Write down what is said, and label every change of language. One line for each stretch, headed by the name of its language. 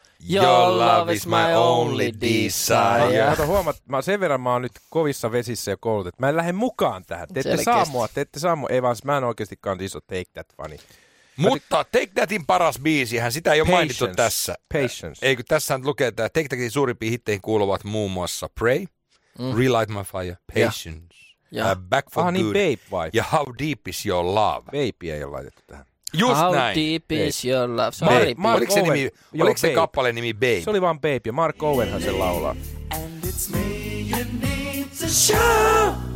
English: Your love is my only desire.
Finnish: Mutta huomaa, sen verran mä oon nyt kovissa vesissä ja koulutettu. Mä en lähde mukaan tähän. Te ette saa mua. Ei vaan, mä en oikeastikaan iso Take That -fani. Mutta Take Thatin paras biisihän, sitä ei ole mainittu tässä. Patience. Eikö tässähän lukee, että Take Thatin suurimpiin hitteihin kuuluvat muun muassa Pray, Relight My Fire, Patience, Back For Good, babe, vai? Ja How Deep Is Your Love. Babyä ei ole laitettu tähän. Just How näin. Deep Is Your Love. Se oli oliko se, nimi, joo, oliko se kappale nimi Babe? Se oli vaan Babe ja Mark Owenhan sen laulaa.
English: And it's me you need to show.